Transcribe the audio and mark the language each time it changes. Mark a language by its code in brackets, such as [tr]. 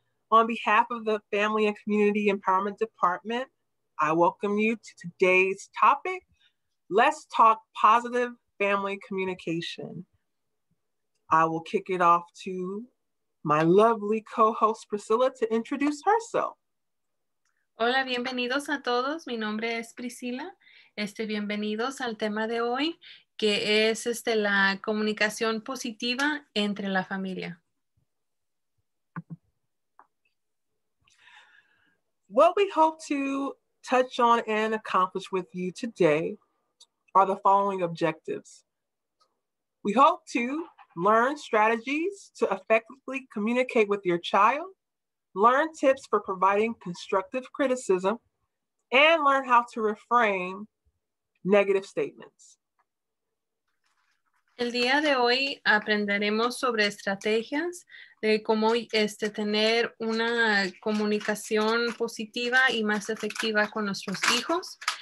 [en] On behalf of the Family and Community Empowerment Department, I welcome you to today's topic, Let's Talk Positive Family Communication. I will kick it off to my lovely co-host Priscilla to introduce herself. [es] Hola, bienvenidos a todos. Mi nombre es Priscilla. Bienvenidos al tema de hoy, que es la comunicación positiva entre la familia. [en] What we hope to touch on and accomplish with you today are the following objectives. We hope to learn strategies to effectively communicate with your child, learn tips for providing constructive criticism, and learn how to reframe negative statements. [es] El día de hoy aprenderemos sobre estrategias de cómo tener una comunicación positiva y más efectiva con nuestros hijos.